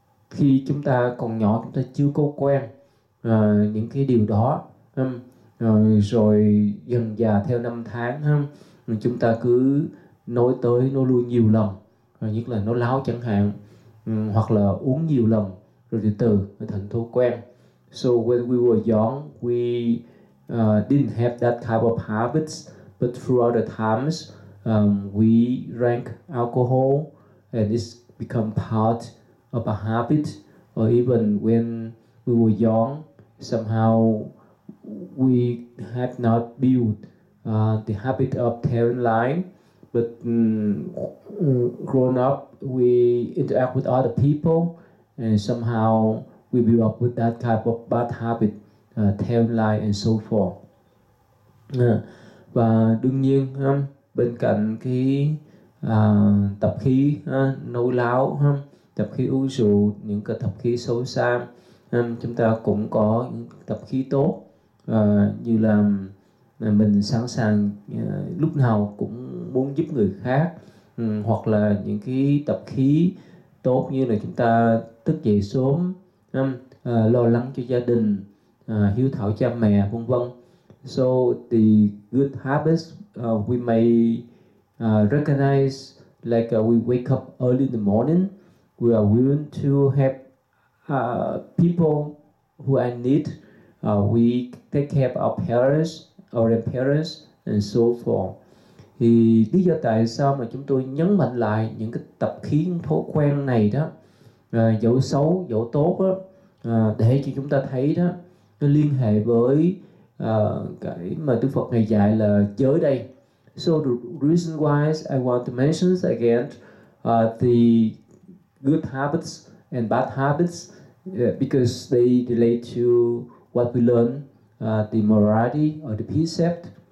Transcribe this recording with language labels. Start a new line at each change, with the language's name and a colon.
Vietnamese: Khi chúng ta còn nhỏ, chúng ta chưa có quen những cái điều đó. Rồi dần dà theo năm tháng, chúng ta cứ nói tới, nói lui nhiều lần, nhất là nói láo chẳng hạn, hoặc là uống nhiều lần, rồi từ từ thành thói quen.
English: So when we were young, we didn't have that type of habits, but throughout the times, we drank alcohol, and it's become part of a habit. Or even when we were young, somehow we had not built the habit of telling lies, but grown up, we interact with other people, and somehow we build up with that type of bad habit, telling lies and so forth.
Vietnamese: Và đương nhiên, bên cạnh cái tập khí nấu láo, tập khí uống rượu, những cái tập khí xấu xa, chúng ta cũng có những tập khí tốt, như là mình sẵn sàng lúc nào cũng muốn giúp người khác, hoặc là những cái tập khí tốt như là chúng ta thức dậy sớm, lo lắng cho gia đình, hiếu thảo cha mẹ, vân vân.
English: So the good habits we may recognize, like we wake up early in the morning, we are willing to help people who are in need, we take care of our parents, our parents, and so forth.
Vietnamese: Thì lý do tại sao mà chúng tôi nhấn mạnh lại những cái tập khí thói quen này đó, dẫu xấu, dẫu tốt đó, để cho chúng ta thấy đó, nó liên hệ với cái mà Đức Phật Ngài dạy là giới đây.
English: So the reason why I want to mention again the good habits and bad habits, because they relate to what we learn, the morality or the precept.